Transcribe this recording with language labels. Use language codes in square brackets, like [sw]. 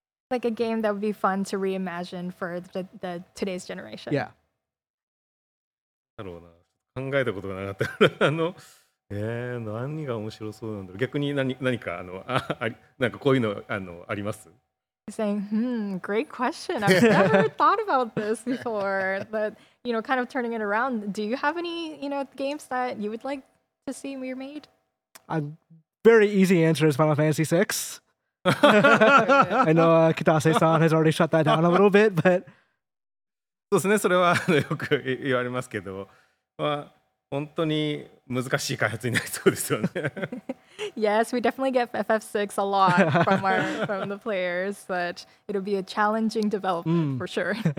[en] Like a game that would be fun to reimagine for the today's generation. Yeah. I don't know. [ja] 考えたことがなかったから何が面白そうなんだろう。逆に 何かなんかこういうのあります。 [en] He's saying, great question. I've never thought about this before. But you know, kind of turning it around. Do you have any games that you would like to see remade? A very easy answer is Final Fantasy VI. I know Kitase-san has already shut that down a little bit, but [ja] そうですね。それはよく言われますけど。本当に難しい開発になりそうですよね。 [en] Yes, we definitely get FF6 a lot from the players, but it'll be a challenging development for sure.